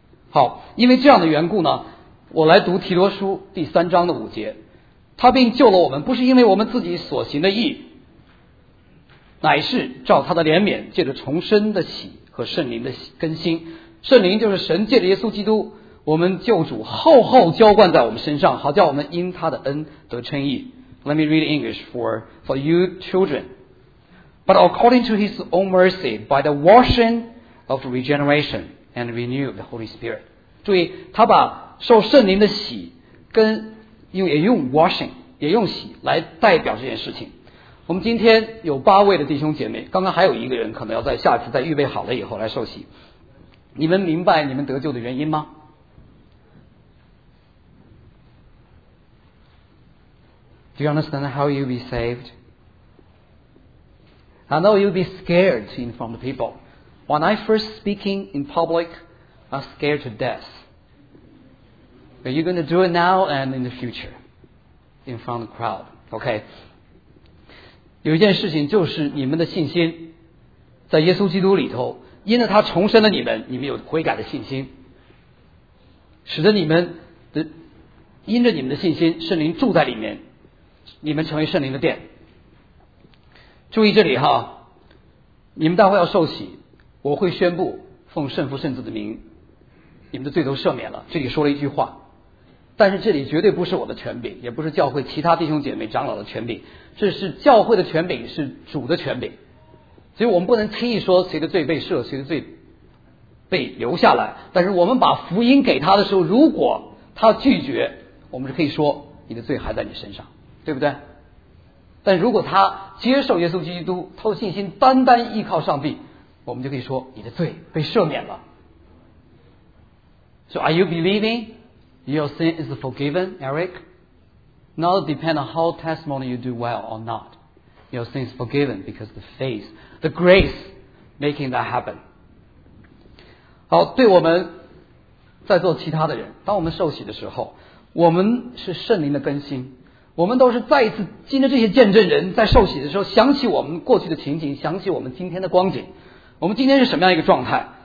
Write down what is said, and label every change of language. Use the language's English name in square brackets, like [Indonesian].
[Chinese] 好，因为这样的缘故呢，我来读提多书3:5，他并救了我们，不是因为我们自己所行的义，乃是照他的怜悯，借着重生的喜和圣灵的更新。圣灵就是神借着耶稣基督，我们救主厚厚浇灌在我们身上，好叫我们因他的恩得称义。 [English] Let me read English for you children. But according to his own mercy, by the washing of regeneration and renew the Holy Spirit. [Chinese] 注意，他把受圣灵的洗跟也用 washing， 也用洗来代表这件事情。我们今天有8位的弟兄姐妹，刚刚还有一个人可能要在下次再预备好了以后来受洗。你们明白你们得救的原因吗？ [English] Do you understand how you be saved? I know you'll be scared to inform the people. When I first speaking in public, I'm scared to death. But you're going to do it now and in the future, in front of the crowd. Okay. [Chinese] 有一件事情就是你们的信心，在耶稣基督里头，因着他重生了你们，你们有悔改的信心，使得你们的因着你们的信心，圣灵住在里面，你们成为圣灵的殿。注意这里哈，你们待会要受洗，我会宣布奉圣父圣子的名，你们的罪都赦免了。这里说了一句话，但是这里绝对不是我的权柄，也不是教会其他弟兄姐妹长老的权柄，这是教会的权柄，是主的权柄。所以我们不能轻易说谁的罪被赦，谁的罪被留下来。但是我们把福音给他的时候，如果他拒绝，我们是可以说你的罪还在你身上，对不对？但如果他接受耶稣基督，他的信心单单依靠上帝，我们就可以说你的罪被赦免了。 [English] So are you believing your sin is forgiven, Eric? Not depend on how testimony you do well or not. Your sin is forgiven because the faith, the grace making that happen. [Chinese] 好，对我们在座其他的人，当我们受洗的时候，我们是圣灵的更新，我们都是再一次经着这些见证人在受洗的时候想起我们过去的情景，想起我们今天的光景，我们今天是什么样一个状态。